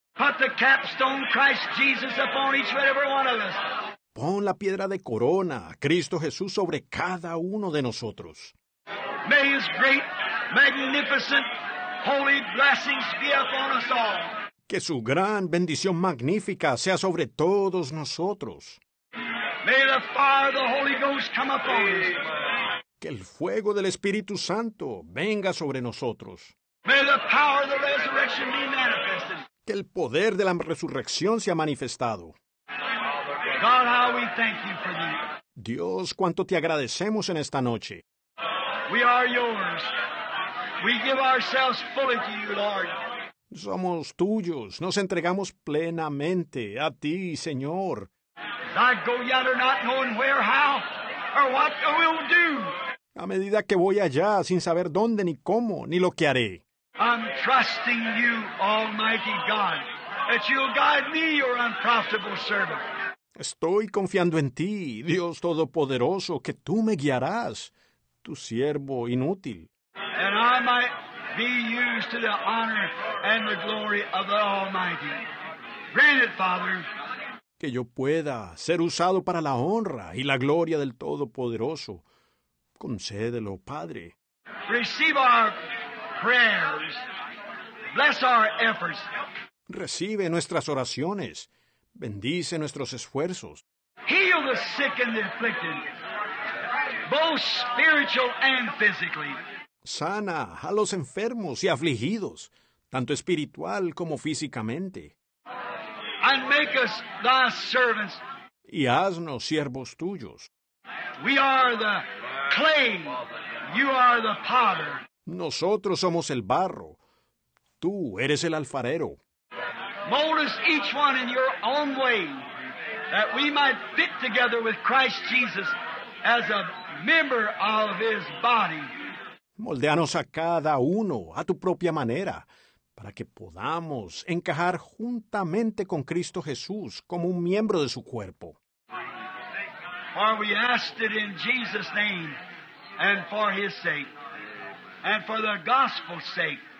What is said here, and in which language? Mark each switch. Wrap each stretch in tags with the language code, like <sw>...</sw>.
<en>Put the capstone Christ Jesus upon each and every one of us.</en> <es>Pon la piedra de corona, Cristo Jesús, sobre cada uno de nosotros.</es> <en>May his great, magnificent, holy blessings be upon us all.</en> <es>Que su gran bendición magnífica sea sobre todos nosotros.</es> <en>May the fire of the Holy Ghost come upon us.</en> <es>Que el fuego del Espíritu Santo venga sobre nosotros.</es> <en>May the power of the resurrection be manifested.</en> <es>Que el poder de la resurrección sea manifestado.</es> <en>God, how we thank you for this.</en> <es>Dios, cuánto te agradecemos en esta noche.</es> <en>We are yours. We give ourselves fully to you, Lord.</en> <es>Somos tuyos. Nos entregamos plenamente a ti, Señor.</es> <en>I go yonder not knowing where, how, or what I will do.</en> <es>A medida que voy allá, sin saber dónde, ni cómo, ni lo que haré.</es> <en>I'm trusting you, Almighty God, that you'll guide me, your unprofitable servant.</en> <es>Estoy confiando en ti, Dios Todopoderoso, que tú me guiarás. Tu siervo inútil.</es> <en>And I might be used to the honor and the glory of the Almighty. Grant it, Father.</en> <es>Que yo pueda ser usado para la honra y la gloria del Todopoderoso. Concédelo, Padre.</es> <en>Receive our prayers. Bless our efforts.</en> <es>Recibe nuestras oraciones. Bendice nuestros esfuerzos.</es> <en>Heal the sick and the afflicted. Both spiritual and physically.</en> <es>Sana a los enfermos y afligidos, tanto espiritual como físicamente.</es> <en>And make us thy servants.</en> <es>Y haznos siervos tuyos.</es> <en>We are the clay, you are the potter.</en> <es>Nosotros somos el barro, tú eres el alfarero.</es> <en>Mold us each one in your own way, that we might fit together with Christ Jesus as a member of his body.</en> <es>Moldéanos a cada uno a tu propia manera, para que podamos encajar juntamente con Cristo Jesús como un miembro de su cuerpo.</es> <en>For we ask it in Jesus' name, and for his sake, and for the gospel's sake.</en>